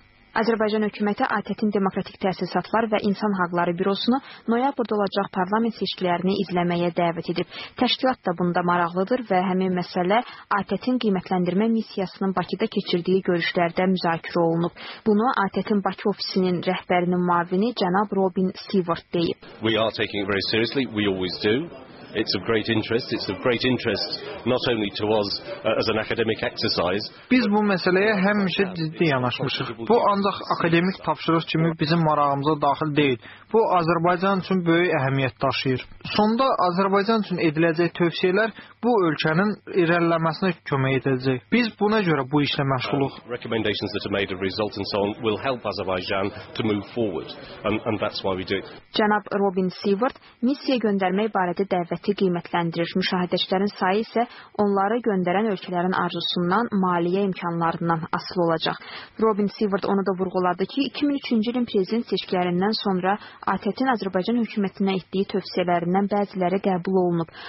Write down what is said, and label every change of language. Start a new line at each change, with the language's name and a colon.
Azerbaijani: Azərbaycan hökuməti ATƏT-in Demokratik Təhsilatlar və İnsan Haqları Bürosunu noyabrda olacaq parlament seçkilərini izləməyə dəvət edib. Təşkilat da bunda maraqlıdır və həmin məsələ ATƏT-in qiymətləndirmə missiyasının Bakıda keçirdiyi görüşlərdə müzakirə olunub. Bunu ATƏT-in Bakı ofisinin rəhbərinin müavini cənab Robin Seward deyib.
English: We are taking it very seriously, we always do. It's of great interest not only to us as an academic exercise.
Azerbaijani: Biz bu məsələyə həmişə ciddi yanaşmışıq. Bu ancaq akademik tapşırıq kimi bizim marağımıza daxil deyil. Bu Azərbaycan üçün böyük əhəmiyyət daşıyır. Sonda Azərbaycan üçün ediləcək tövsiyələr bu ölkənin irəliləməsinə kömək edəcək. Biz buna görə bu işlə məşğuluq.
English: Recommendations that are made of results and so on will help Azerbaijan to move forward and that's why we do.
Azerbaijani: Cənab Robin Seward missiya göndərmək barədə dəvət siyasi qiymətləndirir. Müşahidəçilərin sayı isə onları göndərən ölkələrin arzusundan, maliyyə imkanlarından asılı olacaq. Robin Seward onu da vurğuladı ki, 2003-cü ilin prezident seçkilərindən sonra ATƏT-in Azərbaycan hökumətinə etdiyi tövsiyələrindən bəziləri qəbul olunub.